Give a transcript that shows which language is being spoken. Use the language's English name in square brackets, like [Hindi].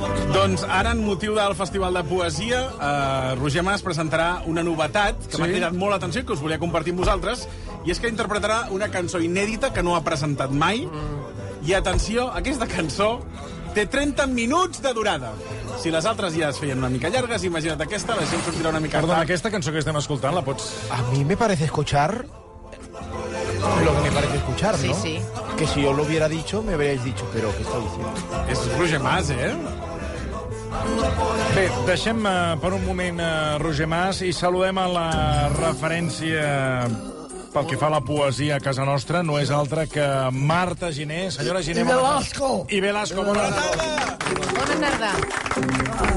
[Catalan] Doncs ara, en motiu del Festival de Poesia, Roger Mas presentarà una novetat que m'ha cridat molt l'atenció i que us volia compartir amb vosaltres, i és que interpretarà una cançó inèdita que no ha presentat mai. I atenció, aquesta cançó té 30 minuts de durada. Si les altres ja es feien una mica llargues, imagina't aquesta, la gent sortirà una mica... Perdona, aquesta cançó que estem escoltant, la pots... [Spanish] A mi me parece escuchar... Lo que me parece escuchar, sí, ¿no? Sí, sí. Que si yo lo hubiera dicho, me habríais dicho, pero ¿qué está diciendo? [Catalan] És Roger Mas, eh? Bé, deixem per un moment Roger Mas i saludem a la referència pel que fa a la poesia a casa nostra. No és altra que Marta Giné. Senyora Giné, bona tarda. I Velasco. I Velasco, bona tarda. Bona tarda.